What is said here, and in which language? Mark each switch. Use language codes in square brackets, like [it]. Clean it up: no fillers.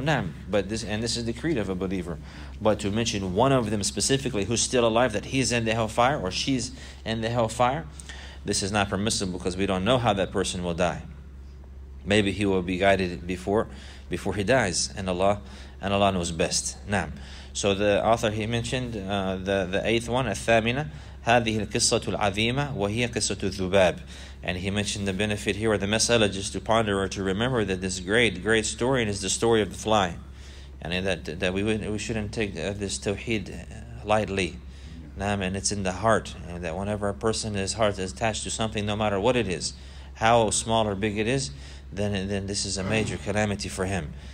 [en] Nah, but this is the creed of a believer. But to mention one of them specifically who's still alive, that he's in the hellfire or she's in the hellfire, this is not permissible, because we don't know how that person will die. Maybe he will be guided before he dies, and Allah knows best. Nah. So the author, he mentioned the eighth one, الثامنة. [ar] هذه القصة العظيمة وهي قصة الذباب. [en] And he mentioned the benefit here, or the mas'ala, just to ponder or to remember that this great, great story is the story of the fly. And that we shouldn't take this tawheed lightly. Naam, and it's in the heart. And that whenever a person's heart is attached to something, no matter what it is, how small or big it is, then this is a major calamity for him.